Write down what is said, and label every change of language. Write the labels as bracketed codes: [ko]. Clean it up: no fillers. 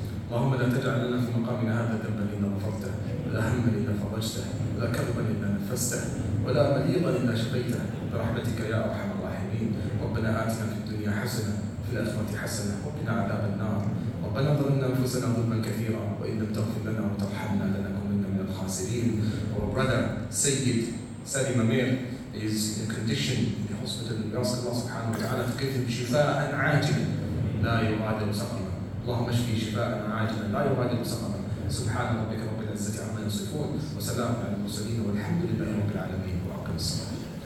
[ar] اللهم لا تجعل لنا في مقامنا هذا ذنبا إلا غفرته، ولا هما إلا فرجته، ولا كربا إلا نفسته، ولا مريضا إلا شفيته، برحمتك يا أرحم الراحمين. ربنا آتنا في الدنيا حسنة وفي الآخرة حسنة وقنا عذاب النار. ربنا ظلمنا أنفسنا ظلما كثيرا، وإن لم تغفر لنا وترحمنا لنكونن من الخاسرين. [en] Our brother Sayyid Salim Amir is in a condition in the hospital. We ask Allah subhanahu wa ta'ala to give him [ar] شفاء عاجلا لا يغادر سقما. اللهم اشفي شفاء عاجلا لا يغادر سقما. سبحان ربك رب العزة عما يصفون، وسلام على المرسلين، والحمد لله رب العالمين، وأقم الصلاة.